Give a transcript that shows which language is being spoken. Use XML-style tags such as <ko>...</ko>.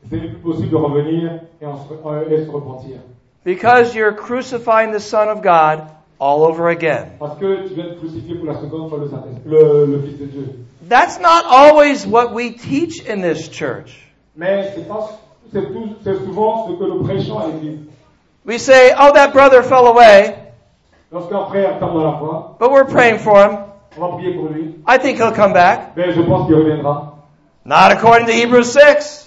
<fr>Ce n'est plus possible de revenir et se repentir.</fr> <en>Because you're crucifying the Son of God all over again.</en> <fr>Parce que tu viens de crucifier pour la seconde fois le Fils de Dieu.</fr> <en>That's not always what we teach in this church.</en> <fr>Mais c'est souvent ce que nous prêchons à l'église.</fr> <en>We say, oh, that brother fell away.</en> <fr>Lorsqu'un frère tombe dans la foi.</fr> <en>But we're praying for him.</en> <fr>On va prier pour lui.</fr> <en>I think he'll come back.</en> <fr>Mais je pense qu'il reviendra.</fr> <en>Not according to Hebrews 6.</en>